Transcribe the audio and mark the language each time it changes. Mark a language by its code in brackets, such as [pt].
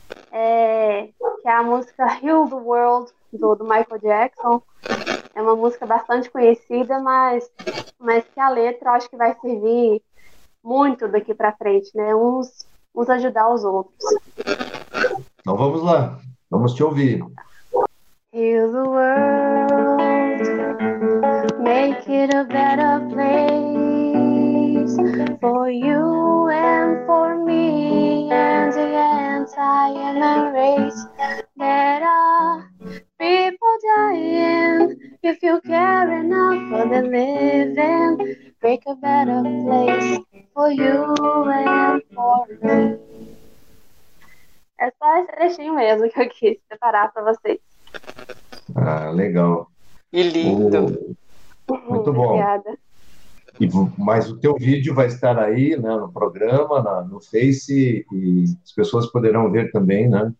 [pt] Que é a música Heal the World, do Michael Jackson. É uma música bastante conhecida, mas que a letra eu acho que vai servir muito daqui para frente, né? Uns ajudar os outros. Então vamos lá, vamos te ouvir. [en] Heal the world, make it a better place for you and for me and the entire human race. There are people dying. If you care enough for the living, make a better place for you and for me. [pt] É só esse trechinho mesmo que eu quis separar para vocês. Ah, legal. E lindo. Muito bom. Obrigada. Mas o teu vídeo vai estar aí, né, no programa, no Face, e as pessoas poderão ver também, né?